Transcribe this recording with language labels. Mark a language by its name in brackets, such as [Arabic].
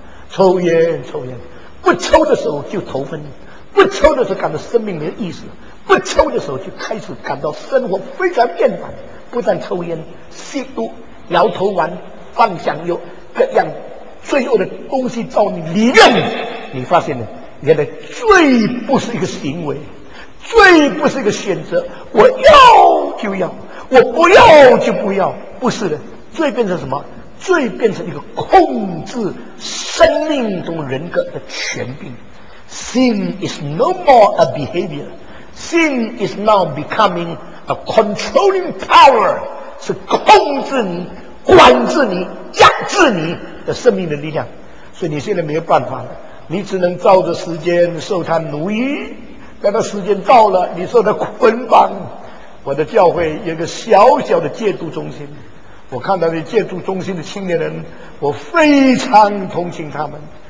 [Chinese] 抽烟抽烟，不抽的时候就头昏，不抽的时候感到生命没有意思，不抽的时候就开始感到生活非常厌烦，不但抽烟吸毒摇头丸放香油各样罪恶的东西到你里面，你发现呢，原来罪不是一个行为，罪不是一个选择，我要就要，我不要就不要，不是的，罪变成什么？罪变成一个控制生命中人格的权柄。 [English] Sin is no more a behavior. Sin is now becoming a controlling power. [Chinese] 是控制你、管制你、压制你的生命的力量。所以你现在没有办法了，你只能照着时间受他奴役。等到时间到了，你受他捆绑。我的教会有个小小的戒毒中心，我看到那戒毒中心的青年人，我非常同情他们。